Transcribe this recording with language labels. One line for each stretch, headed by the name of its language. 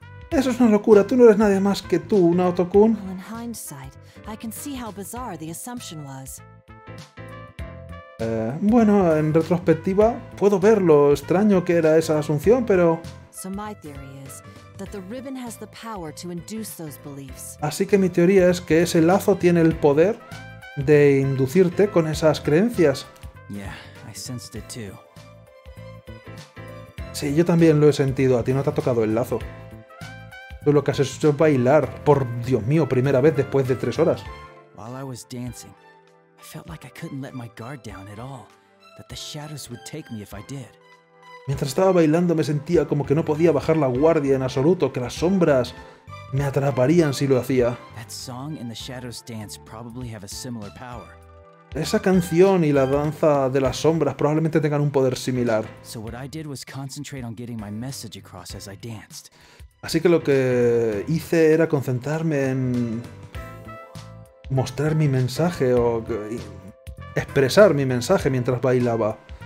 Spanish: Eso es una locura, tú no eres nadie más que tú, Naoto-kun.
English: En hindsight, I can see how bizarre the assumption was.
Spanish: Bueno, en retrospectiva, puedo ver lo extraño que era esa asunción, pero...
English: So my theory is that the ribbon has the power to induce those beliefs.
Spanish: Así que mi teoría es que ese lazo tiene el poder de inducirte con esas creencias.
English: Yeah, I sensed it too.
Spanish: Sí, yo también lo he sentido, a ti no te ha tocado el lazo. Tú lo que has hecho es bailar, por Dios mío, primera vez después de 3 horas.
English: While I was dancing, I felt like I couldn't let my guard down at all, that the shadows would take me if I did.
Spanish: Mientras estaba bailando me sentía como que no podía bajar la guardia en absoluto, que las sombras me atraparían si lo hacía.
English: That song and the shadows dance probably have a similar power.
Spanish: Esa canción y la danza de las sombras probablemente tengan un poder similar.
English: So what I did was concentrate on getting my message across as I danced.
Spanish: Así que lo que hice era concentrarme en mostrar mi mensaje o expresar mi mensaje mientras bailaba.